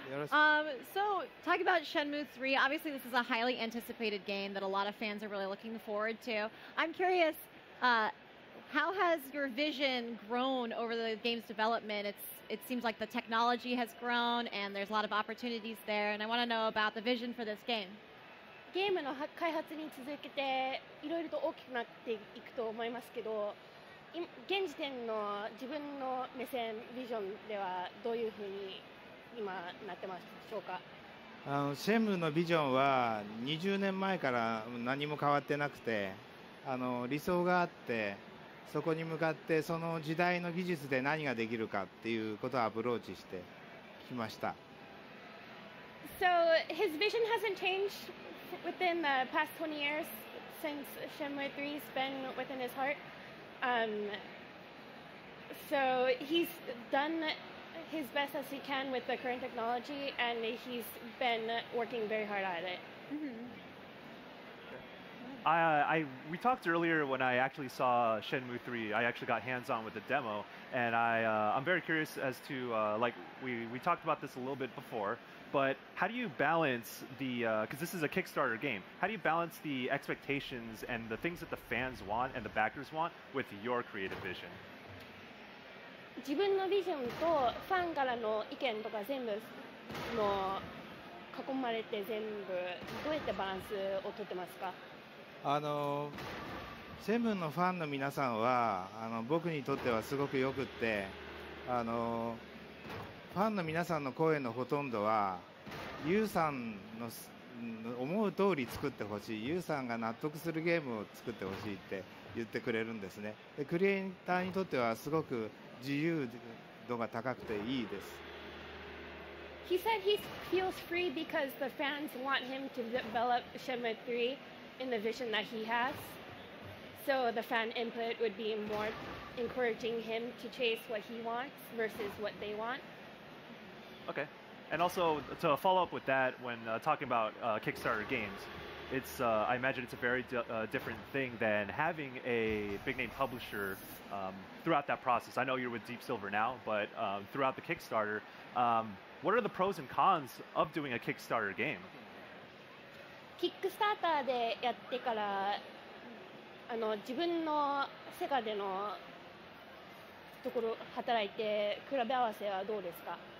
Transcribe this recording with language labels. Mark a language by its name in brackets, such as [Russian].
[English] So, talking about Shenmue 3, obviously this is a highly anticipated game that a lot of fans are really looking forward to. I'm curious, how has your vision grown over the game's development? It seems like the technology has grown and there's a lot of opportunities there, and I want to know about the vision for this game. [Japanese] ゲームの開発に続けていろいろと大きくなっていくと思いますけど、現時点の自分の目線、ビジョンではどういうふうに今なってますでしょうか。シェンムーのビジョンは20年前から何も変わってなくて、理想があってそこに向かってその時代の技術で何ができるかっていうことをアプローチしてきました。 [English] So his vision hasn't changed within the past 20 years since Shenmue 3 has been within his heart. So he's done his best as he can with the current technology and he's been working very hard at it. Mm-hmm. We talked earlier when I actually saw Shenmue 3. I actually got hands-on with the demo, and I'm very curious as to, we talked about this a little bit before, but how do you balance the, because this is a Kickstarter game, how do you balance the expectations and the things that the fans want and the backers want with your creative vision? [Japanese] 自分のビジョンとファンからの意見とか全部の囲まれて全部どうやってバランスを取ってますか? シェンムーのファンの皆さんは僕にとってはすごくよくって、ファンの皆さんの声のほとんどはユウさんの思う通り作ってほしい、ユウさんが納得するゲームを作ってほしいって言ってくれるんですね。でクリエイターにとってはすごく自由度が高くていいです。 [English] He said he feels free because the fans want him to develop Shenmue 3in the vision that he has. So the fan input would be more encouraging him to chase what he wants versus what they want. Okay. And also, to follow up with that, when talking about Kickstarter games, it's, I imagine it's a very different thing than having a big name publisher throughout that process. I know you're with Deep Silver now, but throughout the Kickstarter, what are the pros and cons of doing a Kickstarter game? [Japanese] キックスターターでやってから自分のセガでのところ働いて比べ合わせはどうですか？